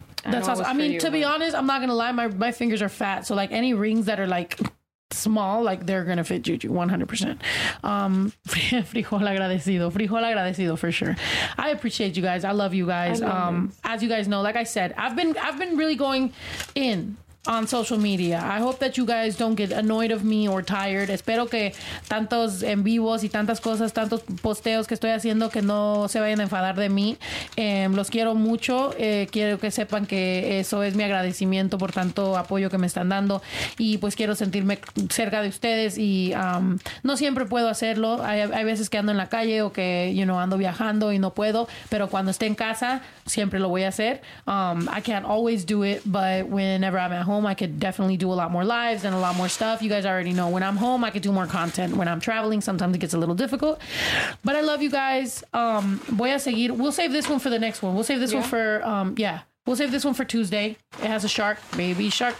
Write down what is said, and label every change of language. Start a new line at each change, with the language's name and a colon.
English: That's awesome. I mean, to be honest, I'm not gonna lie, my fingers are fat, so like any rings that are like small, like they're gonna fit Juju 100%.
Spanish: Frijol agradecido
English: for sure. I appreciate you guys. I love you guys. As you guys know, like I said, I've been really going in on social media. I hope that you guys don't get annoyed of me or tired.
Spanish: Espero que tantos en vivos y tantas cosas, tantos posteos que estoy haciendo, que no se vayan a enfadar de mí. Los quiero mucho. Quiero que sepan que eso es mi agradecimiento por tanto apoyo que me están dando. Y pues quiero sentirme cerca de ustedes. Y no siempre puedo hacerlo. Hay veces que ando en la calle o que,
English: you know,
Spanish: ando viajando y no puedo. Pero cuando esté en casa, siempre lo voy a hacer.
English: I can't always do it, but whenever I'm at home, I could definitely do a lot more lives and a lot more stuff. You guys already know, when I'm home, I could do more content. When I'm traveling, sometimes it gets a little difficult, but I love you guys.
Spanish: Voy a seguir.
English: We'll save this one for the next one. We'll save this one for Tuesday. It has a shark, baby shark.